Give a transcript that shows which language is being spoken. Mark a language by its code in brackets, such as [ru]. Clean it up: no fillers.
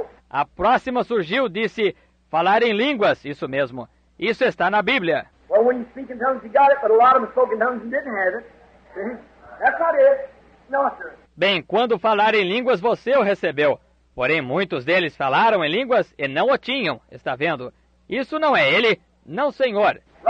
[pt] A próxima surgiu, disse, falar em línguas, isso mesmo. Isso está na Bíblia. [en] Well, when you speak in tongues, you got it, but a lot of them spoke in tongues and didn't have it. That's not it. No, sir. [pt] Bem, quando falar em línguas, você o recebeu. Porém, muitos deles falaram em línguas e não o tinham, está vendo? Isso não é ele, não, senhor.